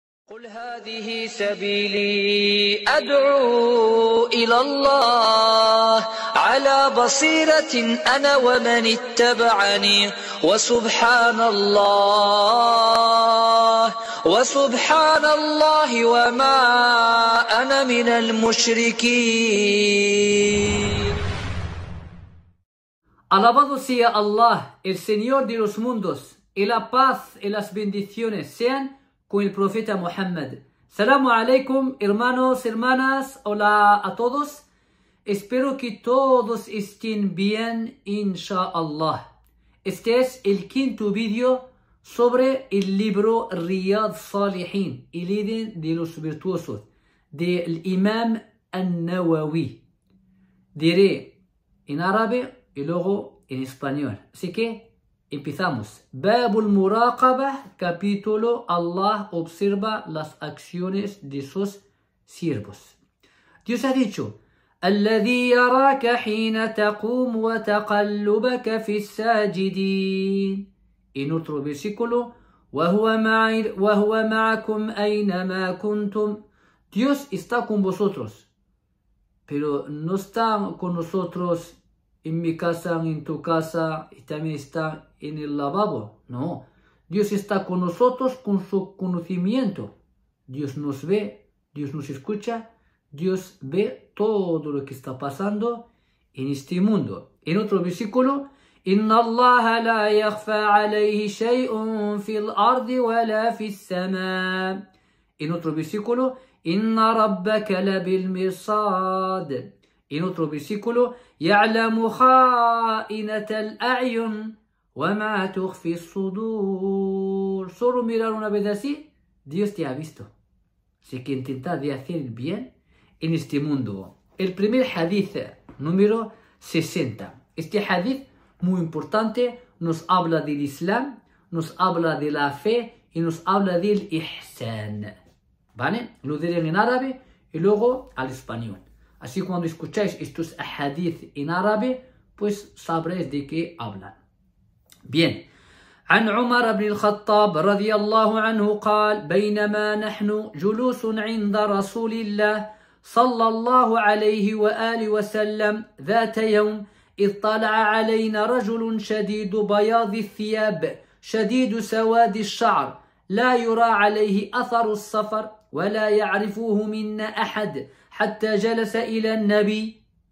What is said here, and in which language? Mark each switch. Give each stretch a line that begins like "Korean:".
Arabic: قل هذه سبيلي أدعو إلى الله على بصيرة أنا ومن اتبعني وسبحان الله وسبحان الله وما أنا من المشركين.
Spanish: Alabado sea Allah, el Señor de los mundos, y la paz y las bendiciones sean con el profeta Muhammad. Salamu alaikum, hermanos, hermanas, hola a todos. Espero que todos estén bien, inshallah. Este es el quinto vídeo sobre el libro Riyad Salihin, el Edén de los Virtuosos, del Imam An-Nawawi. Diré en árabe y luego en español. Así que empezamos. Bab al-Muraqabah, capítulo Allah observa las acciones de sus siervos. Dios ha dicho:
Arabic: الذي يراك حين تقوم وتقلبك في الساجدين.
Spanish: En otro versículo:
Arabic: وهو معكم أينما كنتم.
Spanish: Dios está con vosotros, pero no está con nosotros en mi casa, en tu casa, y también está en el lavabo. No, Dios está con nosotros con su conocimiento. Dios nos ve, Dios nos escucha, Dios ve todo lo que está pasando en este mundo. En otro versículo:
Arabic: Inna Allah la yakhfa alayhi shay'un fil ardi wa la fis samaa.
Spanish: En otro versículo:
Arabic: Inna rabbaka la bil mirsad.
Spanish: En otro versículo:
Arabic: يعلم خائنة الأعين وما تخفي الصدور.
Spanish: Solo mirar una vez así, Dios te ha visto. Así que intenta de hacer el bien en este mundo. El primer hadith, número 60. Este hadith, muy importante, nos habla del Islam, nos habla de la fe y nos habla del Ihsan. ¿Vale? Lo diré en árabe y luego al español. Así cuando escucháis estos hadith en árabe, pues sabréis de qué hablan. Bien.
Arabic: عن عمر بن الخطاب رضي الله عنه قال بينما نحن جلوس عند رسول الله صلى الله عليه وآله وسلم ذات يوم اطلع علينا رجل شديد بياض الثياب شديد سواد الشعر لا يرى عليه أثر السفر ولا يعرفه منا أحد حتى جلس إلى النبي